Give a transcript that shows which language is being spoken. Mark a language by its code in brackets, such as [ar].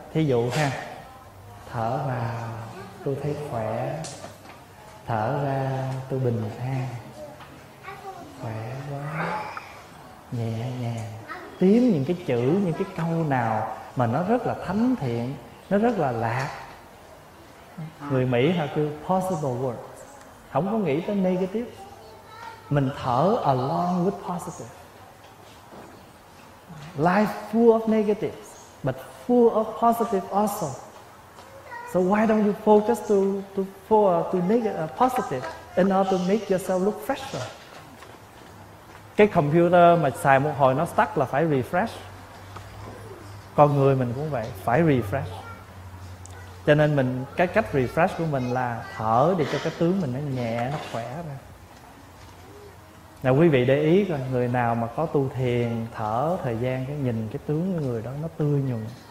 [vi] Thí dụ ha: thở vào tôi thấy khỏe, thở ra tôi bình an, khỏe quá, nhẹ nhàng. Tiếm những cái chữ, những cái câu nào mà nó rất là thánh thiện, nó rất là lạc. Người Mỹ họ kêu positive words, không có nghĩ tới negative. Mình thở [en] along with positive. Life full of negative but full of positive also. So why don't you focus to make positive in order to make yourself look fresher? [vi] Cái computer mà xài một hồi nó stuck là phải refresh. Con người mình cũng vậy, phải refresh. Cho nên mình, cái cách refresh của mình là thở để cho cái tướng mình nó nhẹ, nó khỏe ra. Nào quý vị để ý coi, người nào mà có tu thiền, thở thời gian, cái nhìn cái tướng của người đó nó tươi nhuận.